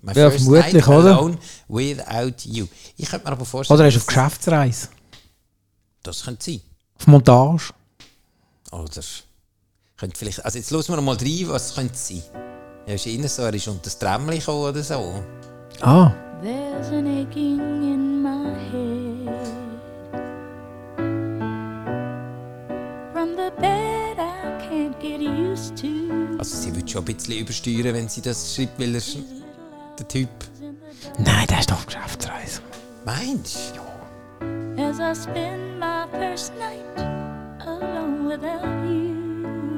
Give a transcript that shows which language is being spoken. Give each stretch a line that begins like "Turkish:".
English: My
German: ja,
English: First Night
German: oder?
English: Alone Without You.
German: Ich könnte mir aber vorstellen. Oder er ist auf Geschäftsreise. Das könnte sein. Auf Montage. Oder. Vielleicht, also jetzt hören wir mal rein, was könnte sein. Er ist innen so, er ist unter das Trämmchen gekommen oder so. Ah.
English: There's an aching in my head. From the bed I can't get used to.
German: Also sie würde schon ein bisschen übersteuern, wenn sie das schreibt, weil er der Typ. Nein, der ist doch auf Geschäftsreise. Meinst du? Ja.
English: As I spend my first night alone without you.